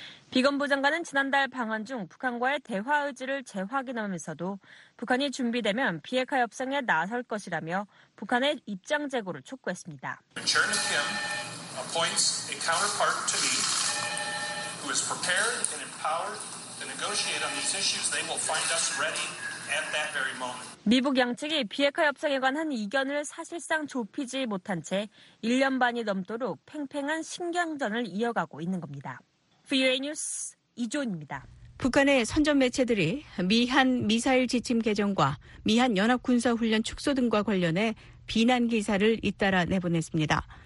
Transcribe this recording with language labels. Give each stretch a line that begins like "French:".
Korean: 비건 부장관은 지난달 방한 중 북한과의 대화 의지를 재확인하면서도 북한이 준비되면 비핵화 협상에 나설 것이라며 북한의 입장 제고를 촉구했습니다.
English: Chairman Kim appoints a counterpart to me who is prepared and empowered to negotiate on these issues. They will find us ready.
Korean: 미북 양측이 비핵화 협상에 관한 이견을 사실상 좁히지 못한 채 1년 반이 넘도록 팽팽한 신경전을 이어가고 있는 겁니다. VOA 뉴스 이조은입니다. 북한의 선전 매체들이 미한 미사일 지침 개정과 미한 연합군사훈련 축소 등과 관련해 비난 기사를 잇따라 내보냈습니다.